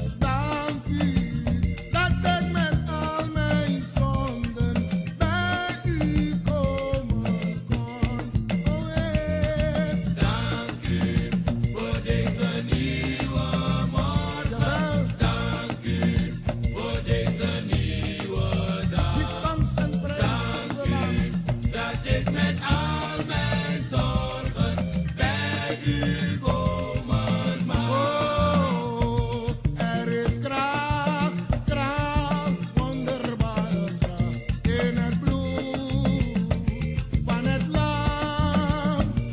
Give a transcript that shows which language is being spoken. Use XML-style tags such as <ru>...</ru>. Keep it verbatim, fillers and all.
<nl>Dank u dat ik met al mijn zonden bij u komen kon. Oh, eh. Dank u voor deze nieuwe morgen. Dank u voor deze nieuwe dag.</nl> <en>Give thanks and praise to the Lord.</en> <nl>Dat ik met al mijn zorgen bij u komen mag. Oh, er is kracht, kracht, wonderbare kracht in het bloed van het lam.</nl>